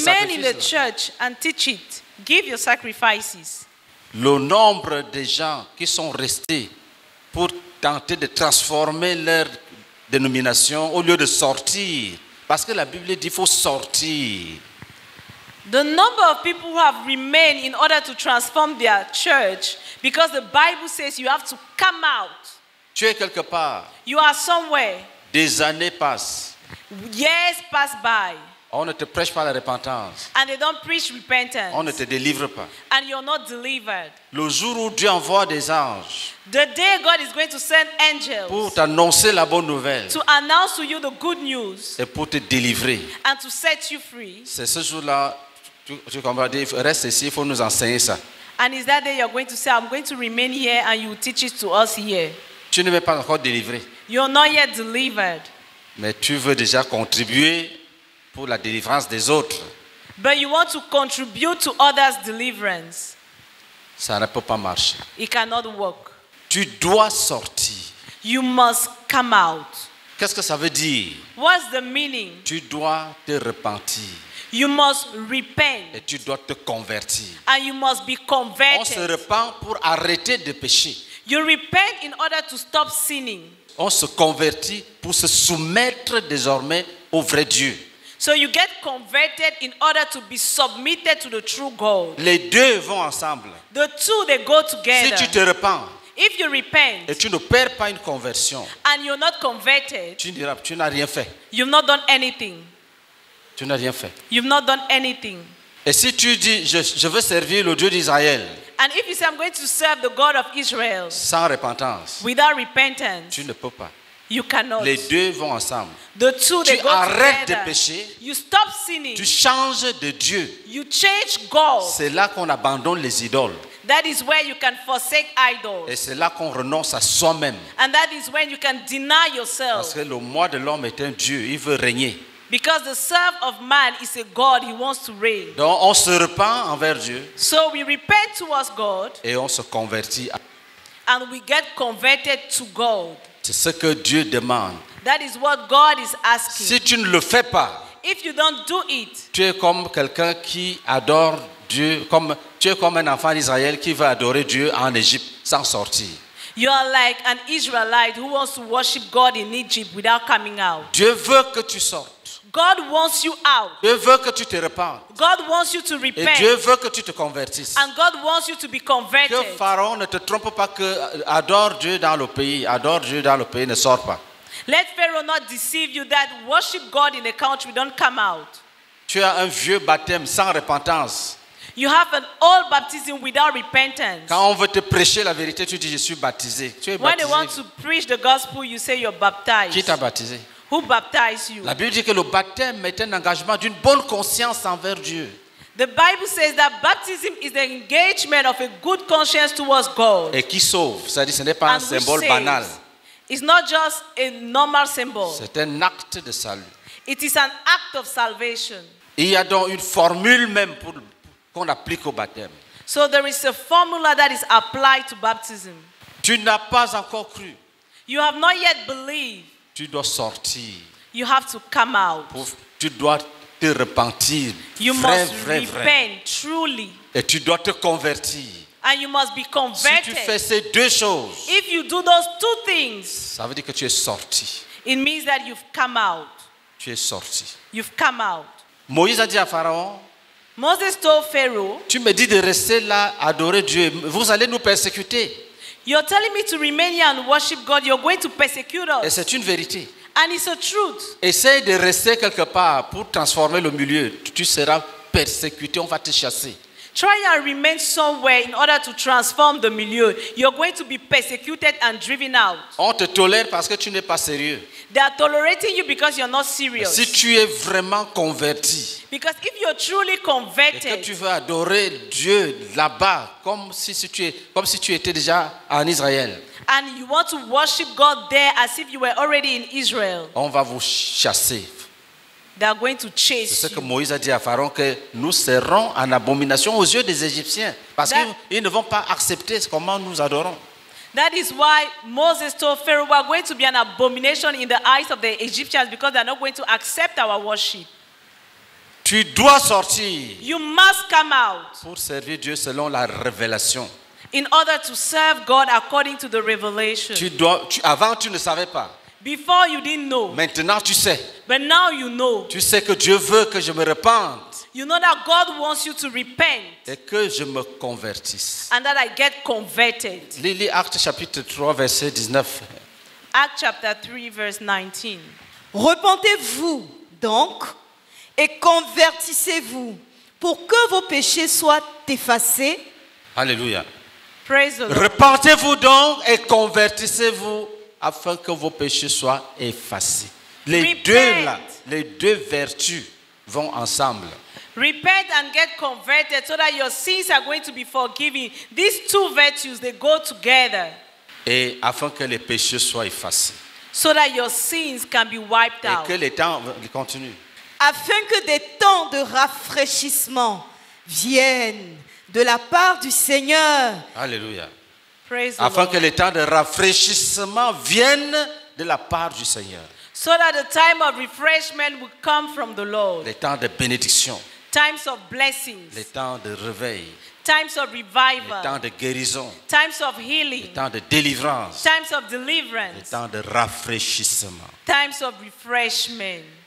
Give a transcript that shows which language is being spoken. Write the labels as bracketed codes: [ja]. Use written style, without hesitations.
[en] sacrifices. Remain in the church and teach it. Give your sacrifices. [fr] Le nombre de gens qui sont restés pour tenter de transformer leur dénomination au lieu de sortir. Parce que la Bible dit qu'il faut sortir. [en] The number of people who have remained in order to transform their church because the Bible says you have to come out. [fr] Tu es quelque part. [en] You are somewhere. [fr] Des années passent. [en] Years pass by. [fr] On ne te prêche pas la repentance. [en] And they don't preach repentance. [fr] On ne te délivre pas. [en] And you're not delivered. [fr] Le jour où Dieu envoie des anges. [en] The day God is going to send angels. [fr] Pour t'annoncer la bonne nouvelle. [en] To announce to you the good news. [fr] Et pour te délivrer. [en] And to set you free. [fr] C'est ce jour-là, tu comprends, dire, reste ici, il faut nous enseigner ça. [en] And is that day you're going to say, I'm going to remain here and you teach it to us here. [fr] Tu ne m'es pas encore délivré. [en] You're not yet delivered. [fr] Mais tu veux déjà contribuer pour la délivrance des autres. [en] But you want to contribute to others' deliverance. [fr] Ça ne peut pas marcher. [en] It cannot work. [fr] Tu dois sortir. [en] You must come out. [fr] Qu'est-ce que ça veut dire? [en] What's the meaning? [fr] Tu dois te repentir. [en] You must repent. [fr] Et tu dois te convertir. [en] And you must be converted. [fr] On se repent pour arrêter de pécher. [en] You repent in order to stop sinning. [fr] On se convertit pour se soumettre désormais au vrai Dieu. [en] So you get converted in order to be submitted to the true God. [fr] Les deux vont ensemble. [en] The two, they go together. [fr] Si tu te repens, [en] if you repent, [fr] et tu ne perds pas une conversion, [en] and you're not converted, [fr] tu n'as rien fait. [en] You've not done anything. [fr] Tu n'as rien fait. [en] You've not done anything. [fr] Et si tu dis, je veux servir le Dieu d'Israël, [en] and if you say, I'm going to serve the God of Israel, [fr] sans repentance, [en] without repentance, [fr] tu ne peux pas. [en] You cannot. [fr] Les deux vont ensemble. [en] The two, [fr] tu [en] they go [fr] arrêtes [en] together. [fr] De pécher. [en] You stop sinning. [fr] Tu changes de Dieu. [en] You change God. [fr] C'est là qu'on abandonne les idoles. [en] That is where you can forsake idols. [fr] Et c'est là qu'on renonce à soi-même. [en] And that is when you can deny yourself. [fr] Parce que le moi de l'homme est un Dieu. Il veut régner. [en] Because the self of man is a God. He wants to reign. [fr] Donc on se repent envers Dieu. [en] So we repent towards God. [fr] Et on se convertit. [en] And we get converted to God. [fr] C'est ce que Dieu demande. [en] That is what God is asking. [fr] Si tu ne le fais pas, [en] if you don't do it, [fr] tu es comme quelqu'un qui adore Dieu, comme tu es comme un enfant d'Israël qui veut adorer Dieu en Égypte sans sortir. [en] You are like an Israelite who wants to worship God in Egypt without coming out. [fr] Dieu veut que tu sortes. [en] God wants you out. [fr] Dieu veut que tu te repentes. [en] God wants you to repent. [fr] Et Dieu veut que tu te convertisses. [en] And God wants you to be converted. [fr] Que Pharaon ne te trompe pas que adore Dieu dans le pays, adore Dieu dans le pays, ne sort pas. [en] Let Pharaoh not deceive you that worship God in a country don't come out. [fr] Tu as un vieux baptême sans repentance. [en] You have an old baptism without repentance. [fr] Quand on veut te prêcher la vérité, tu dis je suis baptisé. Tu es baptisé. [en] When they want to preach the gospel, you say you're baptized. [fr] Qui t'a baptisé? [en] Who baptized you? [fr] La Bible dit que le baptême est un engagement d'une bonne conscience envers Dieu. [en] The Bible says that baptism is the engagement of a good conscience towards God. [fr] Et qui sauve? C'est-à-dire ce n'est pas un symbole banal. [en] It's not just a normal symbol. [fr] C'est un acte de salut. [en] It is an act of salvation. [fr] Il y a donc une formule même pour qu'on applique au baptême. [en] So there is a formula that is applied to baptism. [fr] Tu n'as pas encore cru. [en] You have not yet believed. [fr] Tu dois sortir. [en] You have to come out. [fr] Tu dois te repentir. [en] You [fr] vrai, [en] must [fr] vrai, [en] repent [fr] vrai. [en] Truly. [fr] Et tu dois te convertir. [en] And you must be converted. [fr] Si tu fais ces deux choses, [en] if you do those two things, [fr] ça veut dire que tu es sorti. [en] It means that you've come out. [fr] Tu es sorti. [en] You've come out. [fr] Moïse a dit à Pharaon, [en] Moses told Pharaoh, [fr] tu me dis de rester là, adorer Dieu. Vous allez nous persécuter. [en] You're telling me to remain here and worship God. You're going to persecute us. [fr] Et c'est une vérité. [en] And it's a truth. [fr] Essaye de rester quelque part pour transformer le milieu. Tu seras persécuté. On va te chasser. [en] Try and remain somewhere in order to transform the milieu. You're going to be persecuted and driven out. [fr] On te tolère parce que tu n'es pas sérieux. [en] They are tolerating you because you're not serious. [fr] Si tu es vraiment converti, [en] because if you're truly converted, [fr] et que tu veux adorer Dieu là-bas, comme si tu étais déjà en Israël, [en] and you want to worship God there as if you were already in Israel, [fr] on va vous chasser. [en] They are going to chase you. [fr] C'est ce que Moïse a dit à Pharaon, que nous serons en abomination aux yeux des Égyptiens parce qu'ils ne vont pas accepter comment nous adorons. [en] That is why Moses told Pharaoh, we are going to be an abomination in the eyes of the Egyptians because they are not going to accept our worship. [fr] Tu dois sortir. [en] You must come out. [fr] Pour servir Dieu selon la révélation. [en] In order to serve God according to the revelation. [fr] Avant tu ne savais pas. [en] Before you didn't know. [fr] Maintenant tu sais. [en] But now you know. [fr] Tu sais que Dieu veut que je me repente. [en] You know that God wants you to repent. [fr] Et que je me convertisse. [en] And that I get converted. [fr] Lis Actes chapitre 3 verset 19. [en] Acts chapter 3 verse 19. [fr] Repentez-vous donc et convertissez-vous pour que vos péchés soient effacés. Alléluia. [en] Praise the Lord. [fr] Repentez-vous donc et convertissez-vous afin que vos péchés soient effacés. Les [en] repent. [fr] Deux là, les deux vertus vont ensemble. [en] Repent and get converted so that your sins are going to be forgiven. These two virtues, they go together. [fr] Et afin que les péchés soient effacés. [en] So that your sins can be wiped out. [fr] Et que les temps continuent. Afin que des temps de rafraîchissement viennent de la part du Seigneur. Alléluia. [en] Praise [fr] afin [en] the Lord. [fr] Que les temps de rafraîchissement viennent de la part du Seigneur. [en] So that the time of refreshment will come from the Lord. [fr] Les temps de bénédiction. [en] Times of blessings. [fr] Les temps de réveil. [en] Times of revival. [fr] Les temps de guérison. [en] Times of healing. [fr] Les temps de délivrance. [en] Times of deliverance. [fr] Les temps de rafraîchissement. [en] Times of refreshment.